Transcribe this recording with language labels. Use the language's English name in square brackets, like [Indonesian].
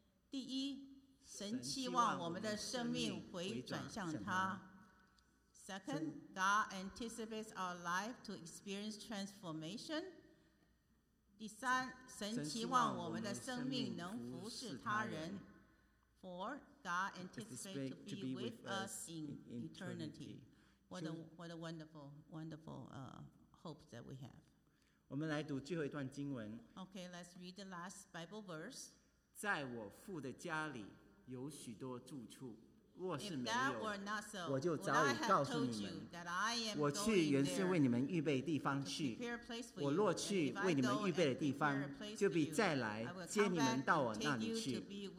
[Chinese] 第一，神期望我们的生命回转向他。 [English] Second, God anticipates our life to experience transformation. [Chinese] 第三，神期望我们的生命能服侍他人。 [English] Four, God anticipates to be with us in eternity. What a wonderful, wonderful hope that we have. [Chinese] 我们来读最后一段经文。 [English] Okay, let's read the last Bible verse. [Chinese] 在我父的家里有许多住处。若是没有， so, 我就早已告诉你们。我去原是为你们预备地方去。我若去为你们预备的地方，就必再来接你们到我那里去。